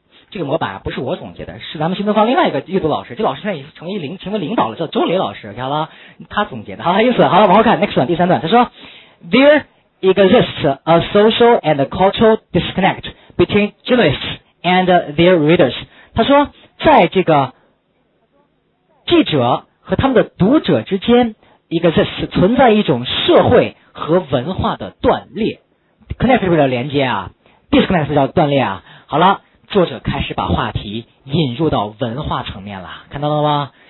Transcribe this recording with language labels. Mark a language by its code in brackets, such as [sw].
[zh] 这个模板不是我总结的，是咱们新东方另外一个阅读老师，这老师现在已经成为领导了，叫周雷老师，好吧，他总结的。好，因此好，往后看 [en] next one [zh] 第三段，他说 [en] There exists a social and cultural disconnect between journalists and their readers。 [zh] 他说在这个记者和他们的读者之间 exists 存在一种社会和文化的断裂， connect 是不是叫连接啊， disconnect 是叫断裂啊。好了，作者开始把话题引入到文化层面了，看到了吗？